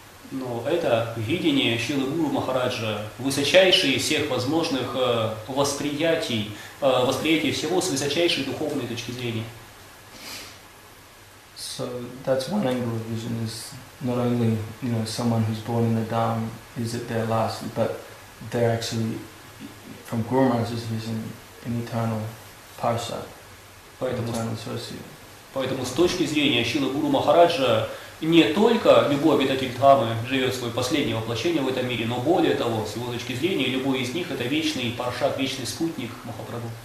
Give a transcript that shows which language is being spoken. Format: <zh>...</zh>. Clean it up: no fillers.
<ru>Но это видение Шрилы Гуру Махараджа, высочайшее из всех возможных восприятий, восприятие всего с высочайшей духовной точки зрения.</ru> <en>So that's one angle of vision is not only, someone who's born in the Dham, is it their last, but they're actually, from Guru Maharaj's vision, an eternal parsha, eternal associate.</en> <ru>Поэтому с точки зрения Шрилы Гуру Махараджа, не только любой обитатель Дхамы живет свое последнее воплощение в этом мире, но более того, с его точки зрения, любой из них – это вечный паршат, вечный спутник Махапрабху.</ru>